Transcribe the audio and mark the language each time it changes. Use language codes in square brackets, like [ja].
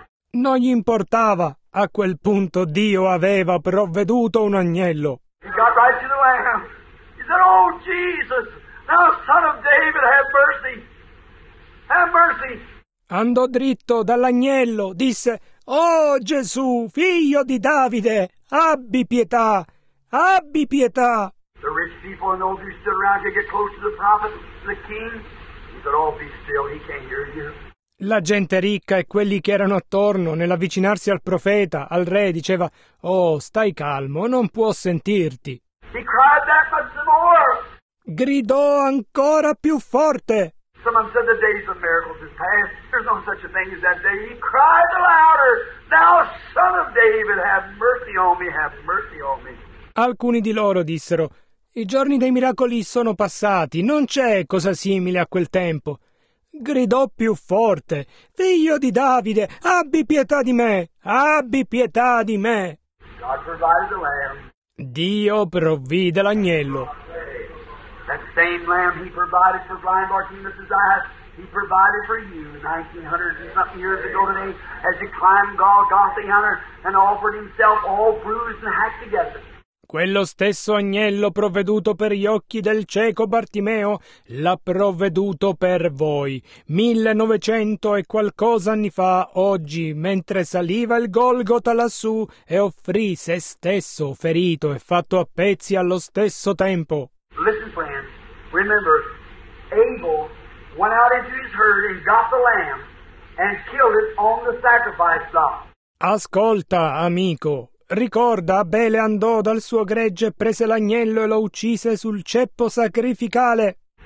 [it] Non gli importava. A quel punto Dio aveva provveduto un agnello. [en] He got right to the lamb. He said, oh Jesus, thou son of David, have mercy. Have mercy. [it] Andò dritto dall'agnello, disse, oh Gesù, figlio di Davide, abbi pietà, abbi pietà. [en] The rich people and those who stood around to get close to the prophet, the king, he said, oh, be still, he can't hear you. [it] La gente ricca e quelli che erano attorno nell'avvicinarsi al profeta, al re, diceva, oh, stai calmo, non può sentirti. [en] He cried that much more. [it] Gridò ancora più forte. [en] Someone said the days of miracles is past. There's no such a thing as that day. He cried the louder, thou son of David, have mercy on me, have mercy on me. [it] Alcuni di loro dissero, i giorni dei miracoli sono passati, non c'è cosa simile a quel tempo. Gridò più forte, figlio di Davide, abbi pietà di me, abbi pietà di me. [en] God provided the lamb. [it] Dio provvide l'agnello. [en] That same lamb he provided for blind Bartimaeus' eyes, he provided for you 1900 and something years ago today, as he climbed Golgotha Hunter and offered himself all bruised and hacked together. [it] Quello stesso agnello provveduto per gli occhi del cieco Bartimeo l'ha provveduto per voi. 1900 e qualcosa anni fa, oggi, mentre saliva il Golgota lassù e offrì se stesso ferito e fatto a pezzi allo stesso tempo. [en] Listen, friends. Remember, Abel went out into his herd and got the lamb and killed it on the sacrifice block. [it] Ascolta, amico. Ricorda, Abele andò dal suo gregge e prese l'agnello e lo uccise sul ceppo sacrificale.